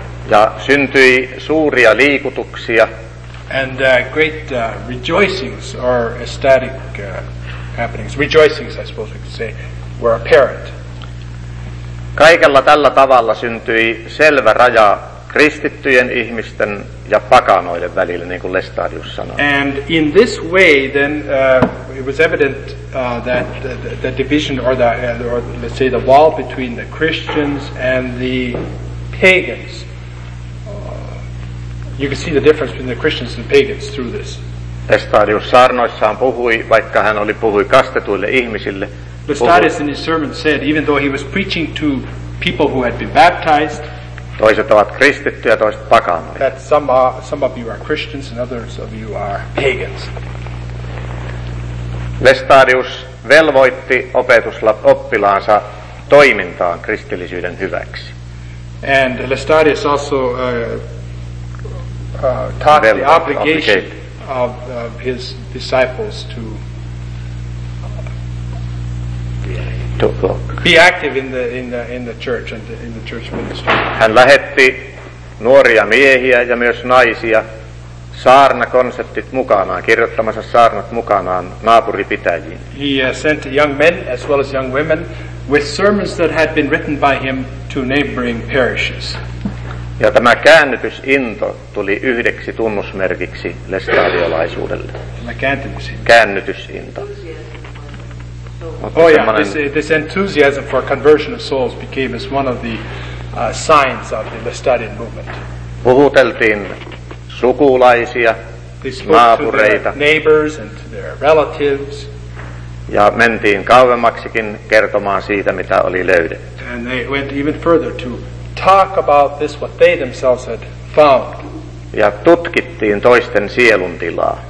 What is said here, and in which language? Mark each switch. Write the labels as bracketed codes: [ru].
[fi] Ja syntyi suuria liikutuksia. [en] And great rejoicings or ecstatic happenings, rejoicings, I suppose we could say, were apparent. [fi] Kaikella tällä tavalla syntyi selvä raja kristittyjen ihmisten ja pakanoiden välillä, niin kuin Lestadius sanoi. [en] And in this way, then it was evident that the division or let's say the wall between the Christians and the pagans. You can see the difference between the Christians and the pagans through this. [fi] Lestadius saarnoissaan puhui, vaikka hän oli puhui kastetuille ihmisille. [en] Lestadius in his sermon said, even though he was preaching to people who had been baptized, [fi] toiset ovat kristittyjä, toiset pakanoja. [en] That some of you are Christians and others of you are pagans. [fi] Lestadius velvoitti oppilaansa toimintaan kristillisyyden hyväksi. [en] And Lestadius also taught the obligation of his disciples to be active in the church and in the church ministry. [fi] Hän lähetti nuoria miehiä ja myös naisia saarnakonseptit mukanaan, kirjoittamansa saarnat mukanaan naapuripitäjiin. [en] He sent young men as well as young women with sermons that had been written by him to neighboring parishes. [fi] Ja tämä käännytysinto tuli yhdeksi tunnusmerkiksi lestadiolaisuudelle. Käännytysinto. [en] This enthusiasm for conversion of souls became as one of the signs of the Lestadian movement. [fi] Puhuteltiin sukulaisia, naapureita, [en] neighbors and to their relatives. [fi] Ja mentiin kauemmaksikin kertomaan siitä, mitä oli löydetty. [en] And they went even further to talk about this, what they themselves had found. [fi] Ja tutkittiin toisten sielun tilaa.